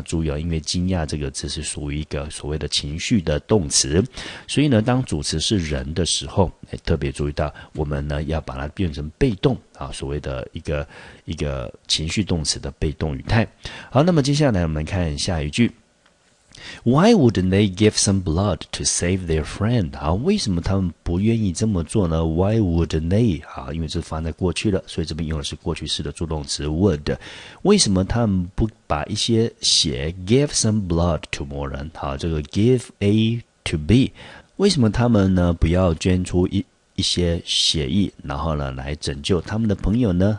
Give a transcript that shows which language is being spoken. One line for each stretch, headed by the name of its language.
Chinese: 注意哦，因为惊讶这个词是属于一个所谓的情绪的动词，所以呢，当主词是人的时候，特别注意到我们呢要把它变成被动啊，所谓的一个情绪动词的被动语态。好，那么接下来我们看下一句。
English: Why wouldn't they give some blood to save their friend?
Chinese: 好，为什么他们不愿意这么做呢？
English: Why wouldn't they?
Chinese: 好，因为这发生在过去了，所以这边用的是过去式的助动词 would。为什么他们不把一些血
English: give some blood to
Chinese: 某人？好，这个
English: give A to B，
Chinese: 为什么他们呢不要捐出一些血液，然后呢来拯救他们的朋友呢？